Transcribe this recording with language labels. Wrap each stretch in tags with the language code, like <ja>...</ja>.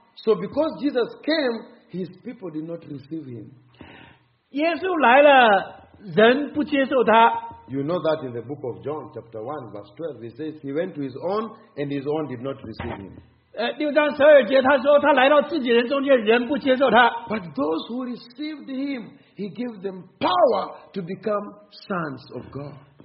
<en>So because Jesus came, his people did not receive him.</en> <zh>耶稣来了，人不接受他。</zh> <en>You know that in the book of John, chapter 1, verse 12, he says he went to his own, and his own did not receive him.</en> <zh>6章12节他说他来到自己人中间，人不接受他。</zh> <en>But those who received him, he gave them power to become sons of God.</en>